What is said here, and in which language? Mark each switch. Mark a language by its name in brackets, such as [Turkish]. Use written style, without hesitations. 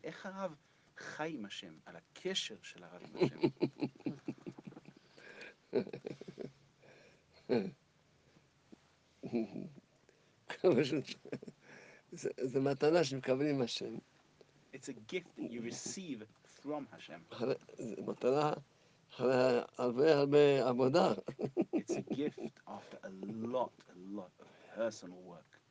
[Hebrew] איך הרב חי עם השם, על הקשר של הרב עם השם? זה מתנה שמקבלים השם. [English] It's a gift that you receive from Hashem. [Hebrew] זה מתנה אחרי הרבה הרבה עבודה. [English] It's a gift after a lot of personal work.